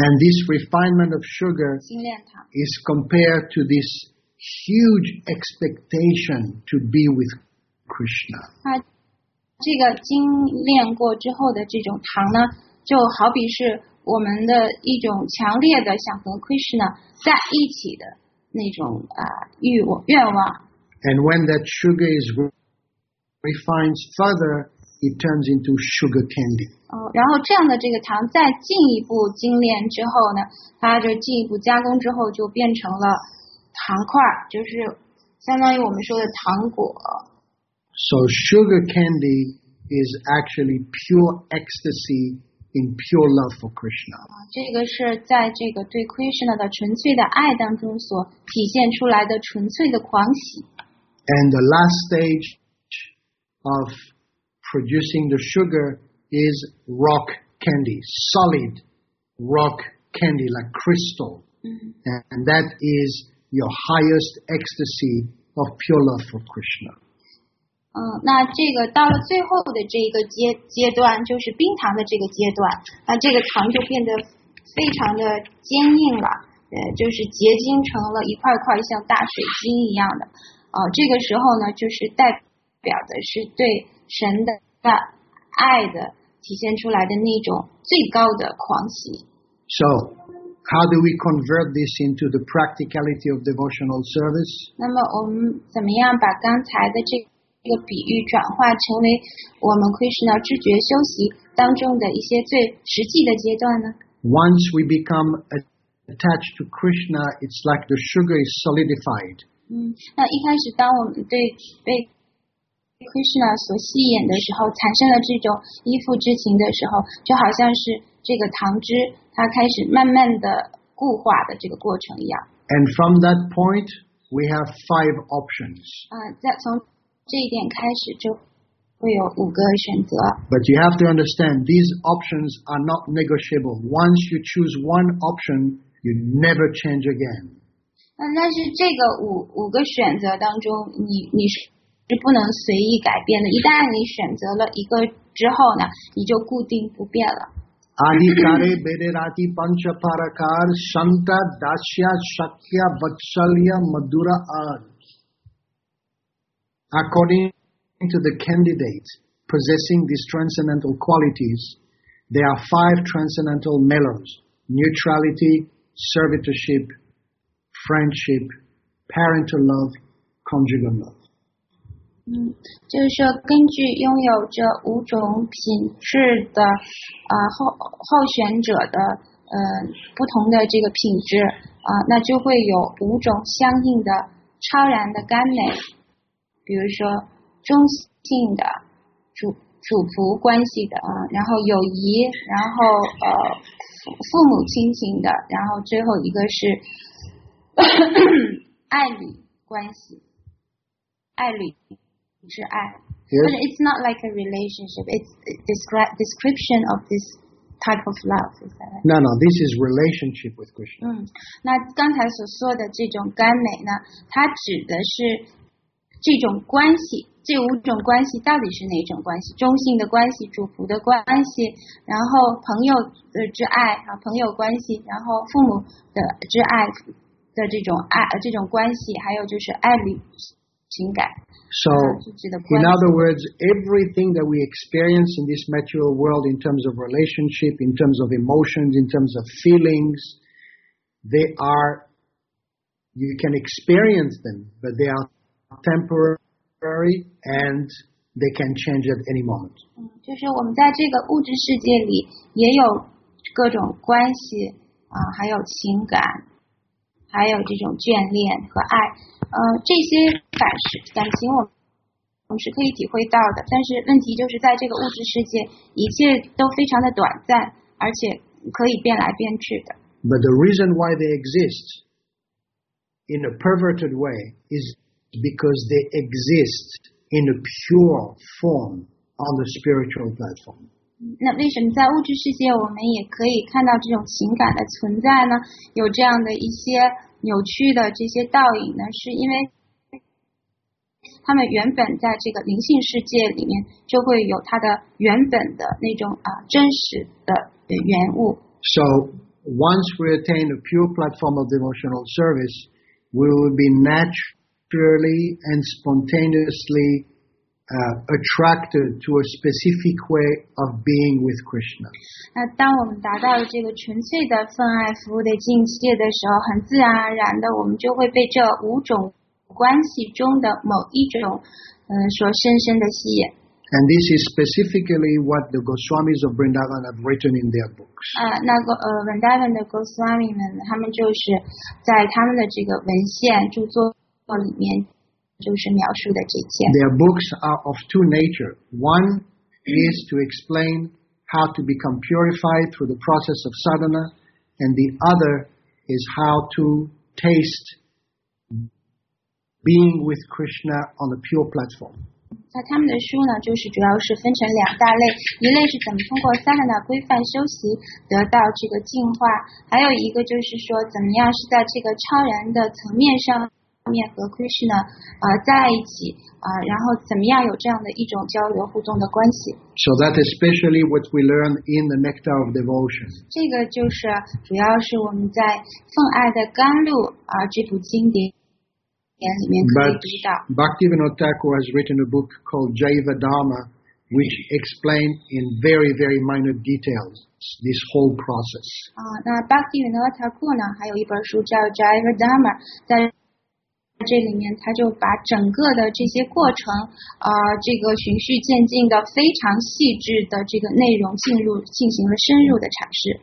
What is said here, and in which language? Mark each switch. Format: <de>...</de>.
<en>And this refinement of sugar is compared to this huge expectation to be with Krishna.</en> <zh>这个精炼过之后的这种糖呢，就好比是我们的一种强烈的想和 Krishna 在一起的那种愿望。</zh> <en>And when that sugar is refined further, it turns into sugar candy.</en> <zh>然后这样的这个糖再进一步精炼之后呢，它就进一步加工之后就变成了糖块，就是相当于我们说的糖果。</zh> <en>So sugar candy is actually pure ecstasy in pure love for Krishna.</en> <zh>这个是在这个对 Krishna 的纯粹的爱当中所体现出来的纯粹的狂喜。</zh> <en>And the last stage of producing the sugar is rock candy, solid rock candy, like crystal. And that is your highest ecstasy of pure love for Krishna.</en> <zh>那这个到了最后的这个 阶段就是冰糖的这个阶段，那这个糖就变得非常的坚硬了，就是结晶成了一块块像大水晶一样的。这个时候呢，就是代表的是对神的爱的体现出来的那种最高的狂喜。</zh> <en>So, how do we convert this into the practicality of devotional service?</en> <zh>那么我们怎么样把刚才的这个比喻转化成为我们 Krishna 知觉修习当中的一些最实际的阶段呢？</zh> <en>Once we become attached to Krishna, it's like the sugar is solidified.</en> <zh>那一开始当我们被 Krishna 所吸引的时候，产生了这种依附之情的时候，就好像是这个糖汁它开始慢慢的固化的这个过程一样。</zh> <en>And from that point, we have five options.</en> <zh>这一点开始就会有五个选择。</zh> <en>But you have to understand, these options are not negotiable. Once you choose one option, you never change again.</en> <zh>但是这个五个选择当中，你是不能随意改变的。一旦你选择了一个之后呢，你就固定不变了。</zh> <sa>Adhikare Bederati Pancha Parakar Santa Dasya Shakya Vatsalya Madura Ar.</sa> <en>According to the candidate possessing these transcendental qualities, there are five transcendental mellows: neutrality, servitorship, friendship, parental love, conjugal love.</en> <zh>就是说根据拥有这五种品质的候选者的不同的这个品质那就会有五种相应的超然的甘美。比如说中性的主仆关系的然后友谊，然后父母亲情的，然后最后一个是爱侣关系。爱侣是爱。</zh> <en>Yes. But it's not like a relationship, it's description of this type of love, is that right? No, this is relationship with Krishna.</en> <zh>那刚才所说的这种甘美呢，它指的是这种关系，这五种关系到底是哪种关系？中性的关系、主仆的关系，然后朋友的之爱啊，朋友关系，然后父母的之爱的这种爱，这种关系，还有就是爱侣情感。</zh> <en>So, in other words, everything that we experience in this material world in terms of relationship, in terms of emotions, in terms of feelings, they are, you can experience them, but they are. Temporary and they can change at any moment.</en> <zh>就是我们在这个物质世界里也有各种关系还有情感，还有这种眷恋和爱，这些感情我们是可以体会到的。但是问题就是在这个物质世界，一切都非常的短暂，而且可以变来变去的。</zh> <en>But the reason why they exist in a perverted way is. Because they exist in a pure form on the spiritual platform.</en> <zh>那为什么在物质世界我们也可以看到这种情感的存在呢？有这样的一些扭曲的这些倒影呢？是因为他们原本在这个灵性世界里面就会有它的原本的那种真实的原物。</zh> <en>So once we attain a pure platform of devotional service, we will be naturally and spontaneously attracted to a specific way of being with Krishna.</en> <zh>那当我们达到了这个纯粹的分爱服务的境界的时候，很自然而然的，我们就会被这五种关系中的某一种所深深的吸引。</zh> <en>And this is specifically what the Goswamis of Vrindavan have written in their books.</en> <zh>Vrindavan 的 Goswami 们，他们就是在他们的这个文献著作。</zh> <en>Their books are of two nature. One is to explain how to become purified through the process of sadhana, and the other is how to taste being with Krishna on a pure platform.</en> <zh>在他们的书呢，就是主要是分成两大类，一类是怎么通过萨拉纳规范修习得到这个净化，还有一个就是说怎么样是在这个超然的层面上面和 Krishna 在一起然后怎么样有这样的一种交流互动的关系。</zh> <en>So that especially what we learn in the nectar of devotion.</en> <zh>这个就是主要是我们在奉爱的甘露这部经典。</zh> <en>But Bhaktivinoda Thakur has written a book called Jaiva Dharma, which explains in very, very minute details this whole process.</en> <zh>Bhaktivinoda Thakur 呢，还有一本书叫 Jaiva Dharma， 在这里面他就把整个的这些过程，这个循序渐进的非常细致的这个内容进行了深入的阐释。</zh>